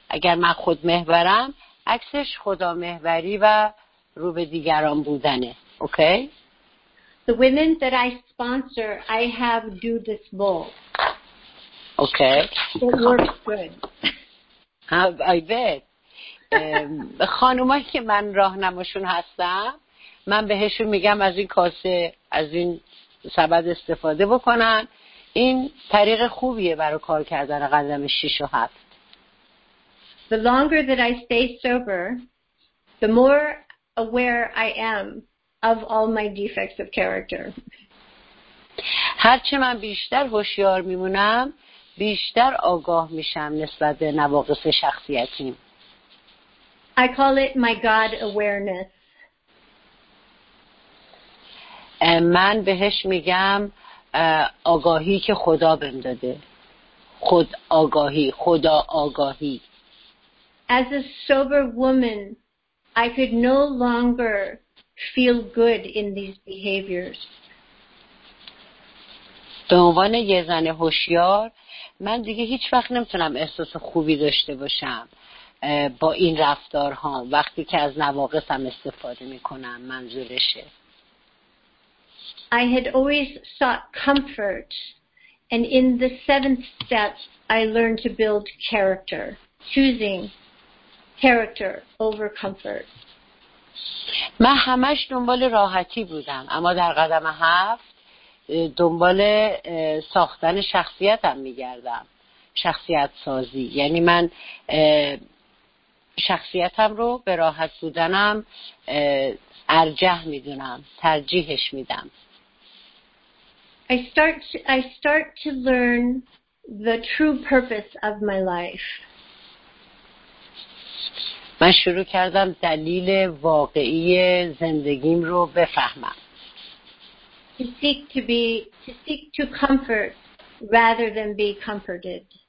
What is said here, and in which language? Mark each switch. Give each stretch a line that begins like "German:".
Persian: اگر من خود محورم، عکسش خدا محوری و رو به دیگران بودنه.
English: Okay. The women that I sponsor, I have do this bowl. Okay. It works good. I bet.
Persian: خانومایی که من راهنماشون هستم، من بهشون میگم از این کاسه، از این سبد استفاده بکنن. یا این طریق خوبیه برای کار کردن قدم 6 و 7.
English: The longer that I stay sober, the more aware I am of all my defects of character.
Persian: هر چه من بیشتر هوشیار میمونم، بیشتر آگاه میشم نسبت به نواقص شخصیتیم.
English: I call it my God awareness.
Persian: من بهش میگم آگاهی که خدا بهم داده. خود آگاهی، خدا آگاهی.
English: As a sober woman, I could no longer feel good in these behaviors.
Persian: به عنوان یه زن هوشیار، من دیگه هیچ وقت نمیتونم احساس خوبی داشته باشم با این رفتارها وقتی که از نواقصم استفاده میکنم. منظورشه
English: I had always sought comfort, and in the seventh step I learned to build character, choosing character over comfort.
Persian: من همش دنبال راحتی بودم، اما در قدم هفت دنبال ساختن شخصیتم میگردم، شخصیت سازی. یعنی من شخصیتم رو به راحت بودنم ارجح میدونم، ترجیحش میدم.
English: I start to learn the true purpose of my life.
Persian: من شروع کردم دلیل واقعی زندگیم رو بفهمم.
English: To seek to comfort rather than be comforted.